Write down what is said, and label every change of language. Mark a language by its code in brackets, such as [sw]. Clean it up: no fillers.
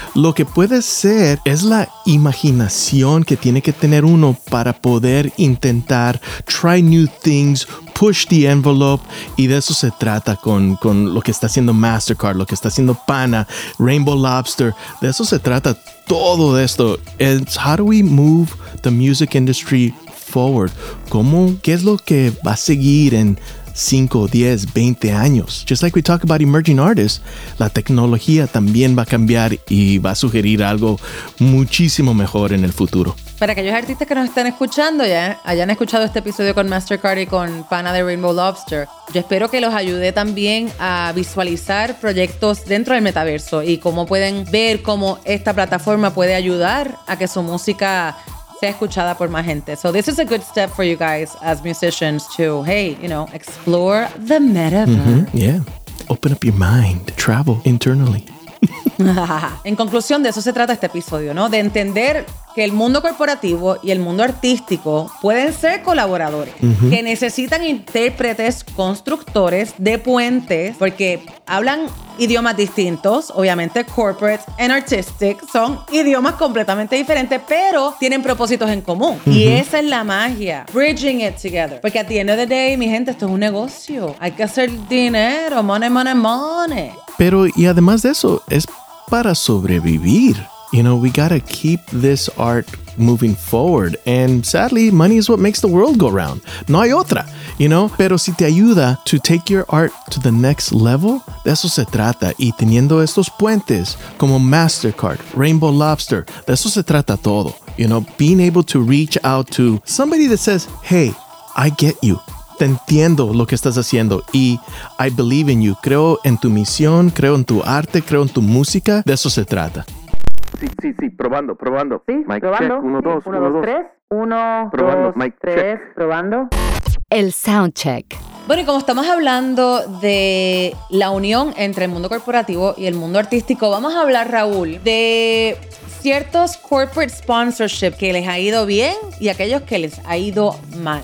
[es] Lo que puede ser es la imaginación que tiene que tener uno para poder intentar [en] try new things, push the envelope, [es] y de eso se trata con lo que está haciendo Mastercard, lo que está haciendo Pana, Rainbow Lobster. De eso se trata todo esto. [en] It's how do we move the music industry forward? [es] ¿Cómo, qué es lo que va a seguir en 5, 10, 20 años? [en] Just like we talk about emerging artists, [es] la tecnología también va a cambiar y va a sugerir algo muchísimo mejor en el futuro. Para aquellos artistas que nos están escuchando ya, hayan escuchado este episodio con Mastercard y con Pana de Rainbow Lobster, yo espero que los ayude también a visualizar proyectos dentro del metaverso y cómo pueden ver cómo esta plataforma puede ayudar a que su música sea escuchada por más gente. [en] So this is a good step for you guys as musicians to, hey, you know, explore the metaverse. Mm-hmm. Yeah. Open up your mind. Travel internally. [es] En conclusión, de eso se trata este episodio, ¿no? De entender que el mundo corporativo y el mundo artístico pueden ser colaboradores, uh-huh, que necesitan intérpretes constructores de puentes, porque hablan idiomas distintos. Obviamente [en] corporate and artistic [es] son idiomas completamente diferentes, pero tienen propósitos en común, uh-huh, y esa es la magia, [en] bridging it together, [es] porque [en] at the end of the day, [es] mi gente, esto es un negocio, hay que hacer dinero, money, money, money. Pero y además de eso, es para sobrevivir. [en] You know, we gotta keep this art moving forward. And sadly, money is what makes the world go round. [es] No hay otra, [en] you know? [es] Pero si te ayuda [en] to take your art to the next level, [es] de eso se trata. Y teniendo estos puentes como Mastercard, Rainbow Lobster, de eso se trata todo. [en] You know, being able to reach out to somebody that says, hey, I get you. [es] Te entiendo lo que estás haciendo y [en] I believe in you. [es] Creo en tu misión, creo en tu arte, creo en tu música. De eso se trata. Sí, sí, sí, probando, probando. Sí, Mike, probando. Check. Uno, dos, uno, dos, tres. Uno, probando. Dos, Mike, tres. Check. Probando. El soundcheck. Bueno, y como estamos hablando de la unión entre el mundo corporativo y el mundo artístico, vamos a hablar, Raúl, de ciertos corporate sponsorship que les ha ido bien y aquellos que les ha ido mal.